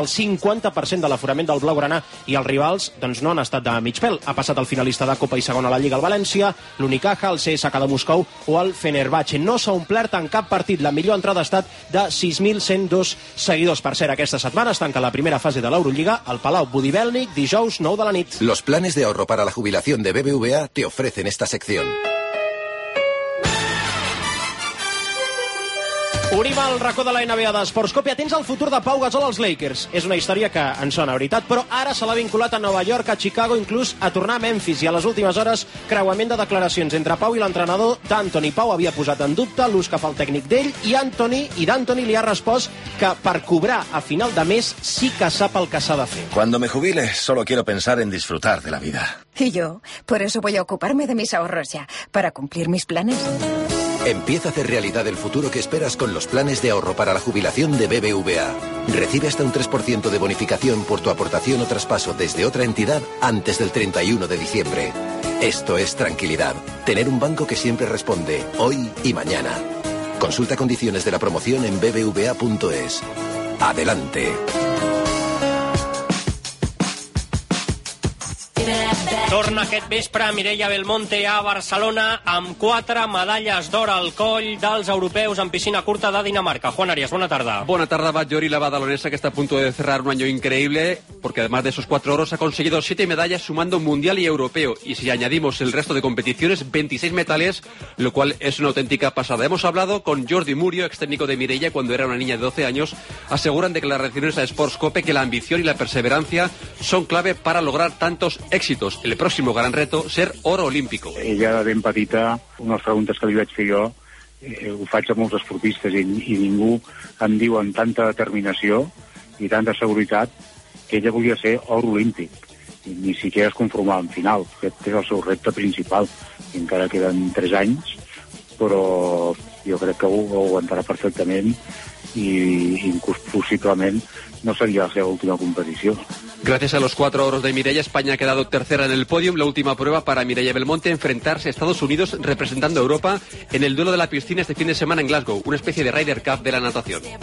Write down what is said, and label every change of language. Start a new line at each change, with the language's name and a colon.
Catalan: El 50% de l'aforament del Blaugrana i els rivals doncs, no han estat de mig pèl. Ha passat el finalista de Copa i segon a la Lliga al València, l'Unicaja, el CSKA de Moscou o el Fenerbahçe. No s'ha omplert en cap partit. La millor entrada ha estat de 6.102 seguidors. Per cert, aquesta setmana es tanca la primera fase de l'Eurolliga al Palau Budivelnik dijous 9 de la nit.
Spanish: Los planes de ahorro para la jubilación de BBVA te ofrecen esta sección.
Catalan: Obrim el racó de la NBA d'Esportscope. Atents al futur de Pau Gasol als Lakers. És una història que en sona veritat, però ara se l'ha vinculat a Nova York, a Chicago, inclús a tornar a Memphis. I a les últimes hores, creuament de declaracions entre Pau i l'entrenador d'Anthony. Pau havia posat en dubte l'ús que fa el tècnic d'ell i Anthony, i d'Anthony li ha respost que per cobrar a final de mes sí que sap el que s'ha de fer.
Spanish: Cuando me jubile, solo quiero pensar en disfrutar de la vida. Y yo, por eso voy a ocuparme de mis ahorros ya, para cumplir mis planes. Empieza a hacer realidad el futuro que esperas con los planes de ahorro para la jubilación de BBVA. Recibe hasta un 3% de bonificación por tu aportación o traspaso desde otra entidad antes del 31 de diciembre. Esto es tranquilidad. Tener un banco que siempre responde, hoy y mañana. Consulta condiciones de la promoción en bbva.es. Adelante. Dos
Catalan: torna aquest vespre Mireia Belmonte a Barcelona amb 4 medalles d'or al coll dels europeus en piscina curta de Dinamarca. Juan Arias, bona tarda. Bona tarda, Batllori, la badalonesa, que està a punt de
Spanish: cerrar un año increíble, porque además de esos 4 oros ha conseguido 7 medallas sumando mundial y europeo. Y si añadimos el resto de competiciones, 26 metales, lo cual es una auténtica pasada. Hemos hablado con Jordi Murio, ex técnico de Mireia, cuando era una niña de 12 años. Aseguran declaraciones a Sports Cope que la ambición y la perseverancia son clave para lograr tantos éxitos. El próximo gran reto, ser oro olímpico.
Catalan: Ella, ben petita, unes preguntes que li vaig fer jo, ho faig a molts esportistes i ningú em diu amb tanta determinació i tanta seguretat que ella volia ser oro olímpic. I
Spanish: ni siquiera
Catalan: es conformava en final. Aquest és el seu repte principal. I encara queden 3 anys, però jo crec que ho aguantarà perfectament i possiblement no
Spanish: sería la última competición. Gracias a los 4 oros de Mireia, España ha quedado tercera en el podium. La última prueba para Mireia Belmonte, enfrentarse a Estados Unidos representando a Europa en el duelo de la piscina este fin de semana en Glasgow, una especie de Ryder Cup de la natación.